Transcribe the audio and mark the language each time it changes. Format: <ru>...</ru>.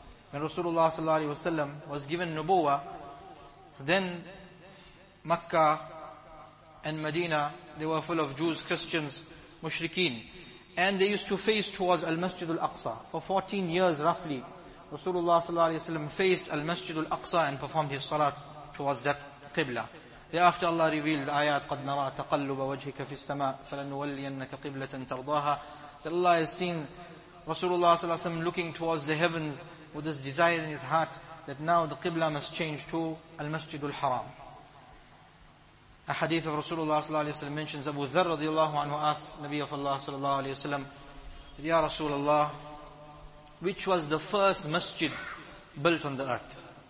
<en>When Rasulullah sallallahu alayhi wasalam was given Nubuwa, then Makkah and Medina, they were full of Jews, Christians, Mushrikeen. And they used to face towards Al-Masjid Al-Aqsa for 14 years roughly. Rasulullah sallallahu alayhi wa sallam faced Al-Masjid Al-Aqsa and performed his salat towards that Qibla. Thereafter Allah revealed ayat,</en> <ar>قَدْ نَرَى تَقَلُّبَ وَجْهِكَ فِي السَّمَاءِ فَلَنُوَلِّيَنَّكَ قِبْلَةً تَرْضَاهَا.</ar> <en>That Allah has seen Rasulullah sallallahu alayhi wa sallam looking towards the heavens with this desire in his heart that now the Qibla must change to Al-Masjid Al-Haram. A hadith of Rasulullah sallallahu alayhi wa sallam mentions Abu Dharr radiallahu anhu asked Nabi of Allah sallallahu alayhi wa sallam, Ya Rasulullah, which was the first masjid built on the earth?</en>